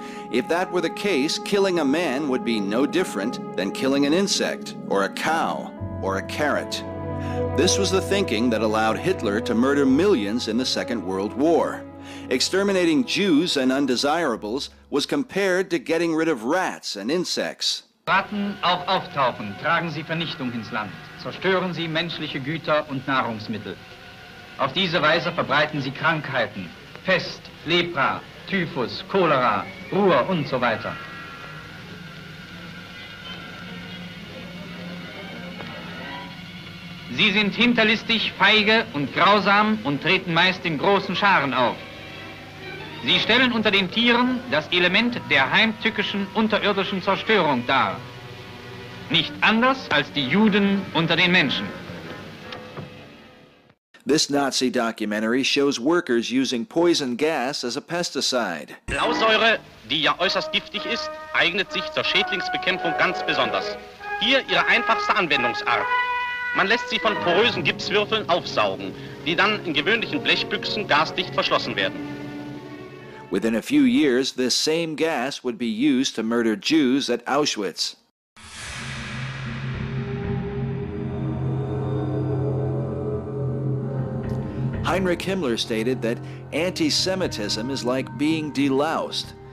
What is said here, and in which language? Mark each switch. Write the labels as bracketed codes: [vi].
[en] If that were the case, killing a man would be no different than killing an insect, or a cow, or a carrot. This was the thinking that allowed Hitler to murder millions in the Second World War. Exterminating Jews and undesirables was compared to getting rid of rats and insects. [de] Ratten auf Auftauchen tragen sie Vernichtung ins Land, zerstören sie menschliche Güter und Nahrungsmittel. Auf diese Weise verbreiten sie Krankheiten, Pest, Lepra, Typhus, Cholera, Ruhr und so weiter. Sie sind hinterlistig, feige und grausam und treten meist in großen Scharen auf. Sie stellen unter den Tieren das Element der heimtückischen unterirdischen Zerstörung dar. Nicht anders als die Juden unter den Menschen. [en] This Nazi documentary shows workers using poison gas as a pesticide. [de] Blausäure, die ja äußerst giftig ist, eignet sich zur Schädlingsbekämpfung ganz besonders. Hier ihre einfachste Anwendungsart. Man lässt sie von porösen Gipswürfeln aufsaugen, die dann in gewöhnlichen Blechbüchsen gasdicht verschlossen werden. [en] Within a few years, this same gas would be used to murder Jews at Auschwitz. Heinrich Himmler stated that anti-Semitism is like being deloused.